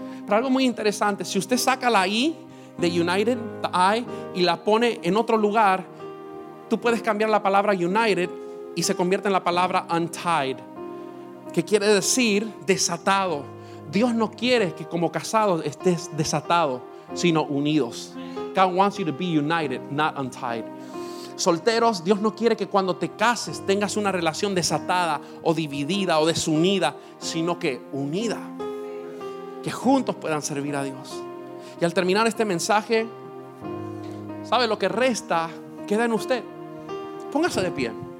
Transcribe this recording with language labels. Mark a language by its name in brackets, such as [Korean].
[Spanish] Pero algo muy interesante, si usted saca la I de united, the I, y la pone en otro lugar, tú puedes cambiar la palabra united y se convierte en la palabra untied, que quiere decir desatado. Dios no quiere que como casado estés desatado, sino unidos. [English] God wants you to be united, not untied. [Spanish] Solteros, Dios no quiere que cuando te cases tengas una relación desatada o dividida o desunida, sino que unida, que juntos puedan servir a Dios. Y al terminar este mensaje, ¿sabe lo que resta? Queda en usted. Póngase de pie.